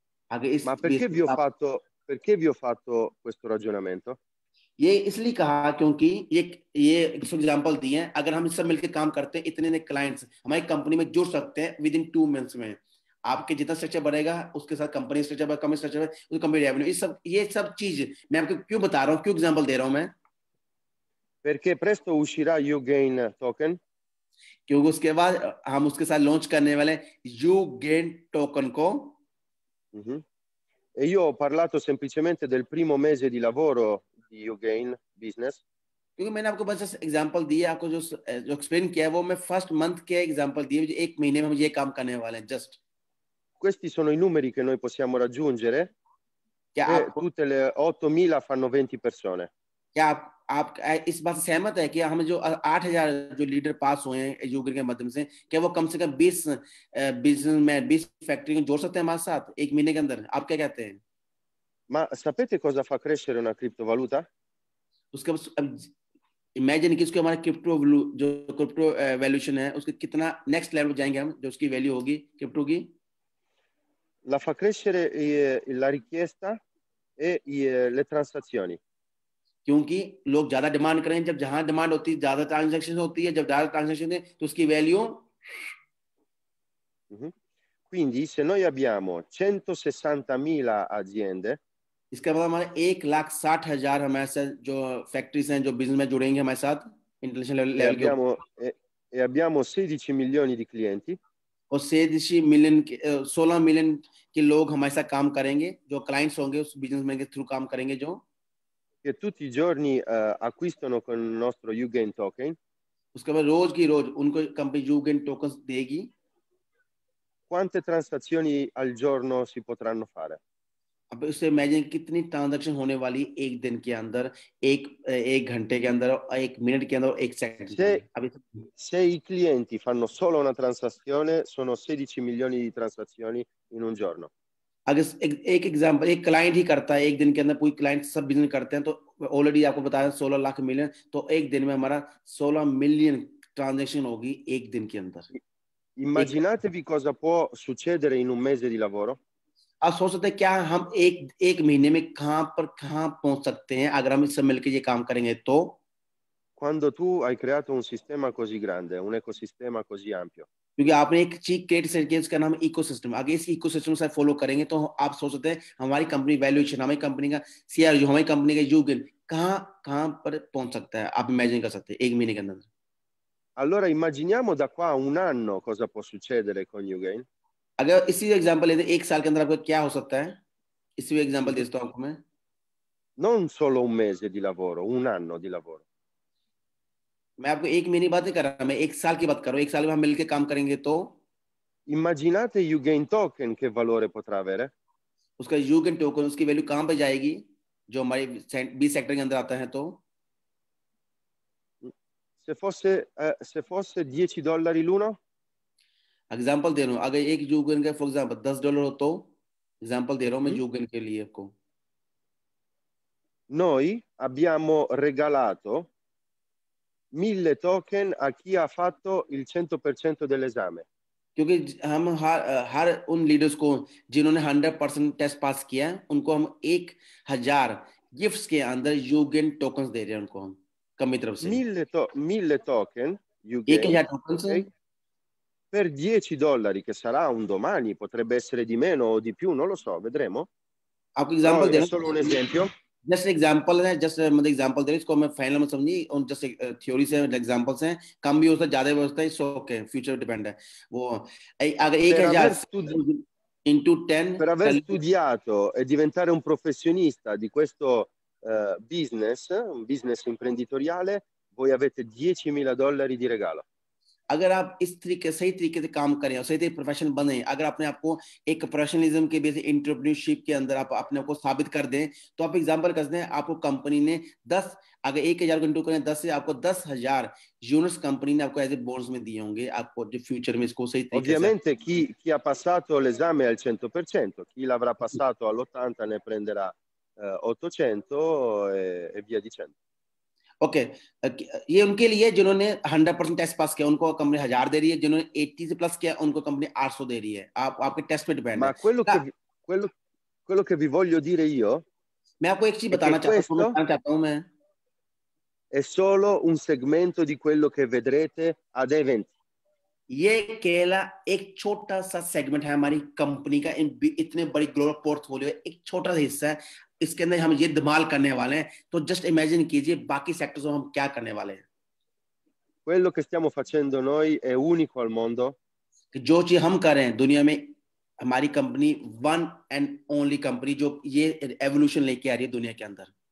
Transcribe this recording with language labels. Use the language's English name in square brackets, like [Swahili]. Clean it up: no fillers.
[Hindi] अगर इस [Italian] perché vi ho fatto questo ragionamento? [Hindi] ये इसलिए कहा क्योंकि ये example दिए हैं, अगर हम इससे मिलकर काम करते हैं इतने clients हमारी company में जुड़ सकते हैं [English] within 2 months [Hindi] में, आपके जितना स्ट्रक्चर बढ़ेगा उसके साथ कंपनी स्ट्रक्चर बढ़ेगा, कंपनी स्ट्रक्चर बढ़ेगा उसके कंपनी रेवेन्यू, ये सब चीज मैं आपको क्यों बता रहा हूँ, क्यों एग्जांपल दे रहा हूँ मैं? [Italian] Perché presto uscirà YouGain token? [Hindi] क्योंकि उसके बाद हम उसके साथ लॉन्च करने वाले YouGain token को। [Italian] E io ho parlato semplicemente del primo mese di lavoro di YouGain business. [Hindi] क्योंकि मैंने आपको बस एग्जांपल दिया, आपको जो एक्सप्लेन किया वो मैं फर्स्ट मंथ के एग्जांपल दिए, एक महीने में हम ये काम करने वाले हैं just. [Italian] Questi sono i numeri che noi possiamo raggiungere. Tutte le 8,000 fanno 20 persone. [Hindi] आप इस बात सहमत है कि हम जो 8,000 जो लीडर पास हुए हैं यूगेन के माध्यम से, क्या वो कम से कम 20 बिजनेस में 20 फैक्ट्री जोड़ सकते हैं हमारे साथ एक महीने के अंदर? आप क्या कहते हैं? [Italian] Ma sapete cosa fa crescere una criptovaluta? [Hindi] Imagine कि उसके हमारे क्रिप्टो वैल्यूएशन है उसके कितना नेक्स्ट लेवल जाएंगे हम जो उसकी वैल्यू होगी क्रिप्टो की? [Italian] La fa crescere la richiesta e le transazioni. [Hindi] क्योंकि लोग ज्यादा डिमांड करें, जब जहां डिमांड होती है ज्यादा ट्रांजेक्शन होती है, जब ज्यादा ट्रांजेक्शन है तो उसकी value. [Italian] Quindi se noi abbiamo 160,000 aziende, [Hindi] इसका मतलब हमारे 160,000 हमारे साथ जो फैक्ट्रीज हैं जो बिजनेस में जुड़ेंगे हमारे साथ इंटरनेशनल लेवल के, [Italian] e abbiamo 16 milioni di clienti, [Hindi] और 16 million के लोग हमारे साथ काम करेंगे जो क्लाइंट्स होंगे उस बिजनेस में के थ्रू काम करेंगे जो, [Italian] che tutti i giorni acquistano con il nostro YouGain token. [Hindi] उसके बाद रोज की रोज उनको कंपनी YouGain tokens देगी. [Italian] Quante transazioni al giorno si potranno fare? [Hindi] अब उसे इमेजिन कितनी ट्रांजैक्शन होने वाली एक दिन के अंदर, एक घंटे के अंदर, एक मिनट के अंदर, एक सेकंड के अंदर. [Italian] Se i clienti fanno solo una transazione, sono 16 milioni di transazioni in un giorno. [Hindi] अगर एक एग्जांपल एक क्लाइंट ही करता है एक दिन के अंदर, पूरी क्लाइंट सब बिजनेस करते हैं तो ऑलरेडी आपको बताया 16 लाख मिलियन, तो एक दिन में हमारा 16 मिलियन ट्रांजैक्शन होगी एक दिन के अंदर। [Italian] Immaginatevi cosa può succedere in un mese di lavoro? [Hindi] आप सोच सकते हैं क्या हम एक महीने में कहां पर कहां पहुंच सकते हैं अगर हम इससे मिलकर ये काम करेंगे तो? [Italian] Quando tu hai creato un sistema così grande, un ecosistema così ampio. [Hindi] क्योंकि आपने एक चीज क्रिएट कर दी जिसका नाम इकोसिस्टम, अगर इस इकोसिस्टम से फॉलो करेंगे तो आप सोच सकते हैं हमारी कंपनी वैल्यूएशन, हमारी कंपनी का सीआर, जो हमारी कंपनी का यूगेन कहां कहां पर पहुंच सकता है आप इमेजिन कर सकते हैं एक महीने के अंदर। [Italian] Allora immaginiamo da qua un anno cosa può succedere con YouGain? [Hindi] अगर इसी एग्जांपल लेते हैं एक साल के अंदर आपको क्या हो सकता है, इसी एग्जांपल देता हूं आपको मैं। [Italian] Non solo un mese di lavoro, un anno di lavoro. [Hindi] मैं आपको एक महीने की बात नहीं कर रहा, मैं एक साल की बात कर रहा हूँ, एक साल में हम मिलकर काम करेंगे तो? [Italian] Immaginate YouGain token che valore potrà avere? [Hindi] उसका YouGain token उसकी वैल्यू कहाँ पे जाएगी जो हमारे 20 सेक्टर के अंदर आता है तो? [Italian] Se fosse $10 l'uno? [Hindi] एग्जांपल दे रहा हूँ, अगर एक YouGain का फॉर एग्जांपल $10 हो तो, एग्जांपल दे रहा हूँ मैं YouGain के लिए आपको। [Italian] Noi abbiamo regalato 1000 token a chi ha fatto il 100% dell'esame. [Hindi] क्योंकि हम हर उन लीडर्स को जिन्होंने 100% टेस्ट पास किया है उनको हम 1000 गिफ्ट्स के अंदर YouGain tokens दे रहे हैं उनको हम कंपनी तरफ से। [Italian] 1000 token YouGain. [English] 1000 tokens. Okay? [Italian] Per $10 che sarà un domani, potrebbe essere di meno o di più, non lo so, vedremo. [Hindi] आपको एग्जांपल दे रहा हूं, [Italian] solo un esempio. [Hindi] Just example है, जस्ट मतलब एग्जाम्पल दे रहे, इसको मैं फाइनल में समझी जस्ट थ्योरी से एग्जाम्पल्स हैं, कम भी होता है ज्यादा भी होता है, सो ओके फ्यूचर डिपेंड है वो। अगर 1000 into 10 [Italian] per aver studiato e diventare un professionista di questo business, un business imprenditoriale, voi avete 10.000 dollari di regalo. [Hindi] अगर आप इस तरीके सही तरीके से काम करें और सही तरीके प्रोफेशनल बने, अगर आपने आपको एक प्रोफेशनलिज्म के बेस एंटरप्रेन्योरशिप के अंदर आप अपने आपको साबित कर दें, तो आप एग्जांपल कर दें, आपको कंपनी ने 10 अगर 1000 को इनटू करें 10 से आपको 10,000 यूनिट्स कंपनी ने आपको एज ए बोनस में दिए होंगे आपको जो फ्यूचर में इसको सही तरीके से. [Italian] Ovviamente chi ha passato l'esame al 100%, chi l'avrà passato all'80 ne prenderà 800 e via dicendo. [Hindi] Okay ये उनके लिए जिन्होंने 100% टेस्ट पास किया उनको कंपनी 1000 दे रही है, जिन्होंने 80 से प्लस किया उनको कंपनी 800 दे रही है. आप आपके टेस्ट पे डिपेंड है. [Italian] quello che vi voglio dire io, [Hindi] मैं आपको एक चीज बताना चाहता हूं मैं, [Italian] è solo un segmento di quello che vedrete ad event. [Hindi] ये केला एक छोटा सा सेगमेंट है हमारी कंपनी का, इतने बड़ी ग्लोबल पोर्टफोलियो एक छोटा सा हिस्सा है, इसके अंदर हम ये धमाल करने वाले हैं. तो जस्ट इमेजिन कीजिए बाकी सेक्टर्स में हम क्या करने वाले हैं. [Italian] Quello che stiamo facendo noi è unico al mondo. [Hindi] जो चीज हम कर रहे हैं दुनिया में, हमारी company one and only company जो ये एवोल्यूशन लेके आ रही है दुनिया के अंदर.